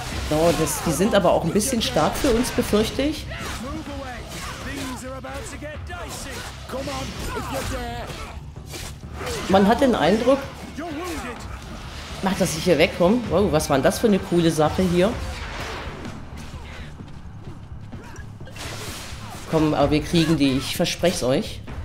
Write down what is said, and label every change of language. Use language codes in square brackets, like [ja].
[de] Oh, das, die sind aber auch ein bisschen stark für uns, befürchte ich. [en] Move away. Things are about to get dicey. Come on, if you dare. [de] Man hat den Eindruck, mach, dass ich hier wegkomme. Wow, was war denn das für eine coole Sache hier? Komm, aber wir kriegen die. Ich verspreche es euch.